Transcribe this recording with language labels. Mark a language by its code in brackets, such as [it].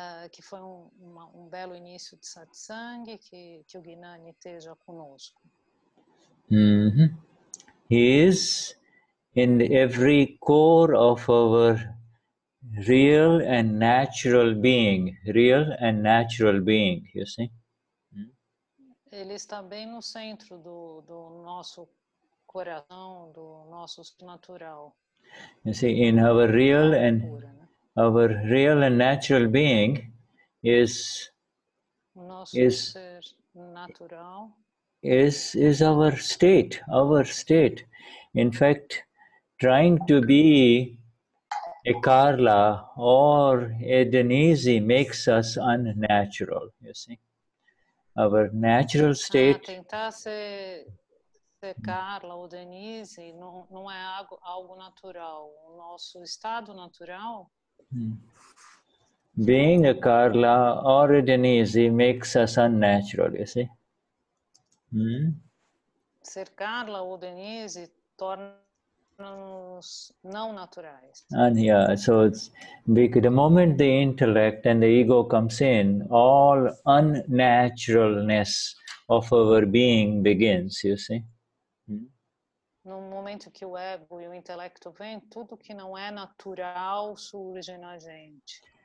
[pt] Que foi um belo início de satsang, que o Gnani esteja conosco. [en] He is in every core of our real and natural being. Real and natural being, you see? [pt] Ele está bem no centro do nosso coração do nosso natural. [en] You see, in our real and natural being is [pt] ser natural [en] is our state, In fact, trying to be a Carla or a Denise makes us unnatural, you see. Our natural state. [pt] Tentar ser Carla ou Denise não é algo natural. O nosso estado natural. [en] Being a Carla or a Denise makes us unnatural, you see. [pt] Ser Carla ou Denise torna-nos não naturais. [en] And yeah, so it's because the moment the intellect and the ego comes in, all unnaturalness of our being begins, you see. [pt] No momento que o ego e o intelecto vêm, tudo que não é natural surge na gente.